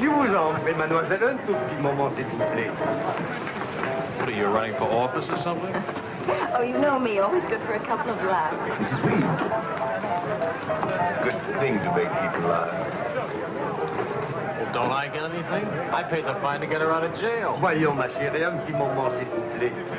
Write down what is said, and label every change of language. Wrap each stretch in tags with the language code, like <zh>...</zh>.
<fr>Je vous en prie, mademoiselle, un tout petit moment, s'il vous plaît.</fr> <en>What are you, running for office or something? Oh, you know me. Always good for a couple of laughs. Sweet. Good thing to make people laugh. Don't I get anything? I paid the fine to get her out of jail.</en> <fr>Voyons, ma chérie, un petit moment, s'il vous plaît.</fr>